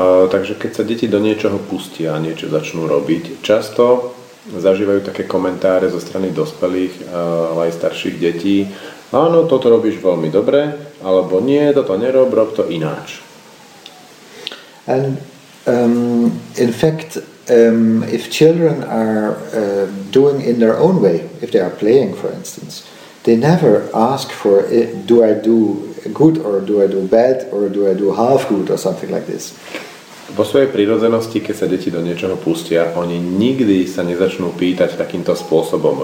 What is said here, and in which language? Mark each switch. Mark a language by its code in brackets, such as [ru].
[sk] Takže keď sa deti do niečoho pustia a niečo začnú robiť, často zažívajú také komentáre zo strany dospelých ale aj starších detí, áno, toto robíš veľmi dobre, alebo nie, toto nerob, rob to ináč. [en] And in fact, if children are doing in their own way, if they are playing, for instance, they never ask for, do I do good or do I do bad or do I do half good or something like this. [sk] Vo svojej prirodzenosti, keď sa deti do niečoho pustia, oni nikdy sa nezačnú pýtať takýmto spôsobom.